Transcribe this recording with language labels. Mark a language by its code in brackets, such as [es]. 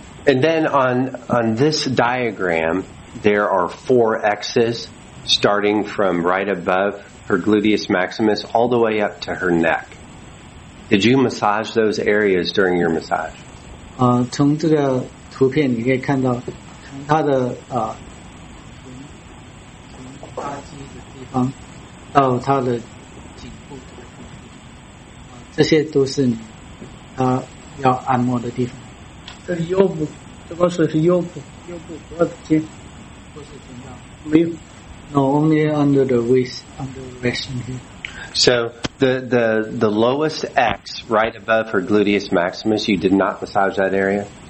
[en] And then on this diagram, there are four X's starting from right above her gluteus maximus all the way up to her neck. Did you massage those areas during your massage? [zh] 从这个图片你可以看到，从他的从发际的地方到他的颈部的地方，这些都是你要按摩的地方。这是腰部。这个是腰部，腰部脖子肩，不是肩膀，没有。 [en] No, only under the waist, under the waist here. So the lowest X right above her gluteus maximus, you did not massage that area.